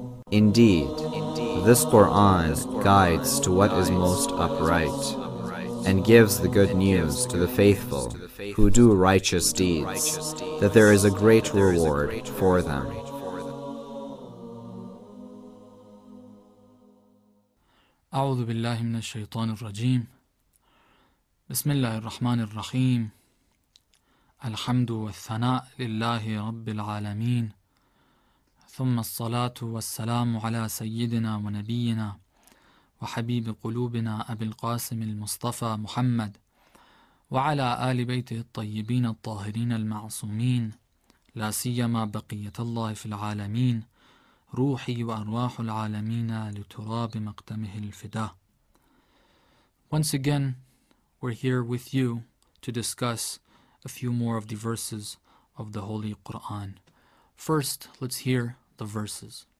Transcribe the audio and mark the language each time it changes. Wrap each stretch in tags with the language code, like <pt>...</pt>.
<en>Indeed, this Quran guides to what is most upright and gives the good news to the faithful who do righteous deeds, that there is a great reward for them.</en> <ar>أعوذ بالله من الشيطان الرجيم بسم الله الرحمن الرحيم الحمد والثناء لله رب العالمين ثم الصلاة والسلام على سيدنا ونبينا وحبيب قلوبنا أبي القاسم المصطفى محمد وعلى آل بيته الطيبين الطاهرين المعصومين لا سيما بقية الله في العالمين روحي وأرواح العالمين لتراب مقدمه الفداء.</ar> <en>Once again, we're here with you to discuss a few more of the verses of the Holy Quran. First, let's hear the verses.</en>